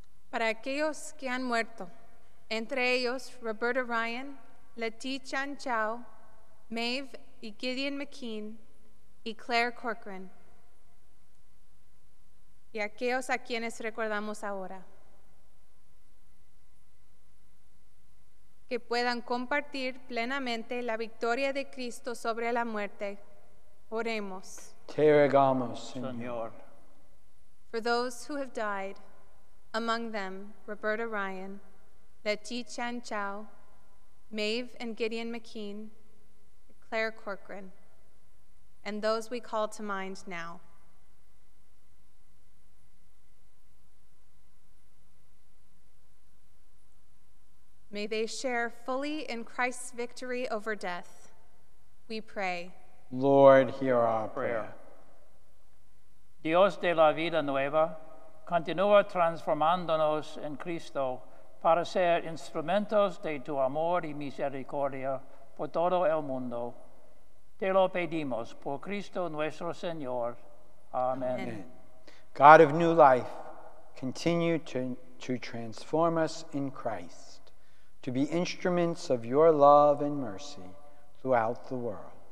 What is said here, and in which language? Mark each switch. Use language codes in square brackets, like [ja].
[es] Para aquellos que han muerto, entre ellos Roberta Ryan, Leti Chan Chao, Maeve y Gideon McKean, y Claire Corcoran, y aquellos a quienes recordamos ahora, que puedan compartir plenamente la victoria de Cristo sobre la muerte. Oremos. Te rogamos, Señor. [en] For those who have died, among them Roberta Ryan, Leti Chan Chao, Maeve and Gideon McKean, Claire Corcoran, and those we call to mind now. May they share fully in Christ's victory over death. We pray. Lord, hear our prayer. [es] Dios de la vida nueva, continúa transformándonos en Cristo para ser instrumentos de tu amor y misericordia por todo el mundo. Te lo pedimos por Cristo nuestro Señor. Amen. Amen. [en] God of new life, continue to transform us in Christ, to be instruments of your love and mercy throughout the world.